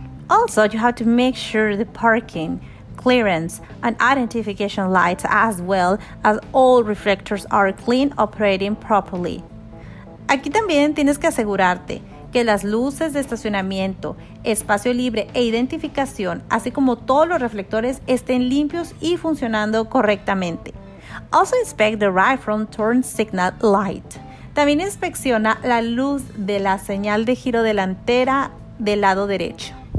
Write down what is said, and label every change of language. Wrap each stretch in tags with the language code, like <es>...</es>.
<en>Also, you have to make sure the parking, clearance, and identification lights, as well as all reflectors, are clean, operating properly.</en> <es>Aquí también tienes que asegurarte que las luces de estacionamiento, espacio libre e identificación, así como todos los reflectores, estén limpios y funcionando correctamente.</es> <en>Also inspect the right front turn signal light.</en> <es>También inspecciona la luz de la señal de giro delantera del lado derecho.</es>